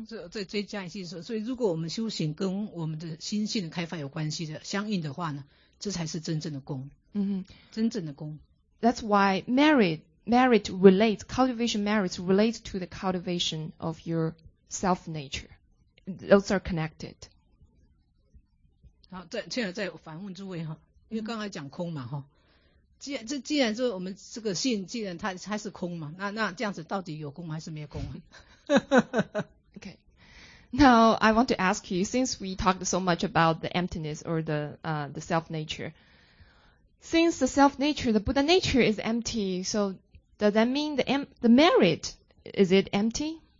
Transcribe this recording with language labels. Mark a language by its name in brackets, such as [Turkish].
[Chinese] 再追加一些说，所以如果我们修行跟我们的心性的开发有关系的，相应的话呢，这才是真正的功。 Mm-hmm. 真正的功。 [English] That's why merit relates, cultivation merits relate to the cultivation of your self nature. Those are connected. [Chinese] 好，现在再反问诸位哈，因为刚才讲空嘛哈，既然说我们这个性，既然它是空嘛，那这样子到底有功还是没有功？ [English] okay. Now, I want to ask you, since we talked so much about the emptiness or the self-nature, since the self-nature, the Buddha nature is empty, so does that mean the merit, is it empty?